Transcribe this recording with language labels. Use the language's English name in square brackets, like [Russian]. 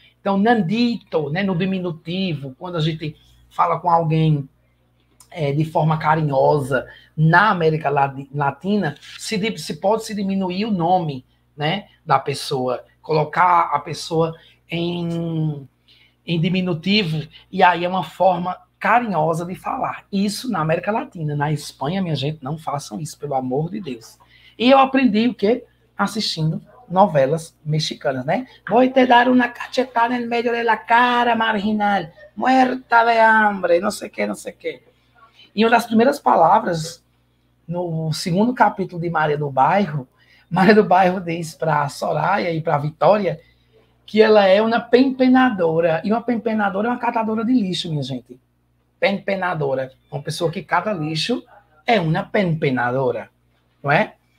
[Portuguese] Então, Nandito, né, no diminutivo, quando a gente fala com alguém de forma carinhosa na América Latina, se pode se diminuir o nome, né, da pessoa, colocar a pessoa em diminutivo, e aí é uma forma carinhosa de falar. Isso na América Latina. Na Espanha, minha gente, não façam isso, pelo amor de Deus. E eu aprendi o quê? Assistindo novelas mexicanas, né? [Spanish] Voy te dar una cachetada en medio de la cara, marginal. Muerta de hambre. [Portuguese] Não sei o quê, não sei o quê. E uma das primeiras palavras, no segundo capítulo de Maria do Bairro diz para Soraya e para Vitória que ela é uma pempenadora. E uma pempenadora é uma catadora de lixo, minha gente. Pempenadora, uma pessoa que cata lixo, é uma pempenadora, não é?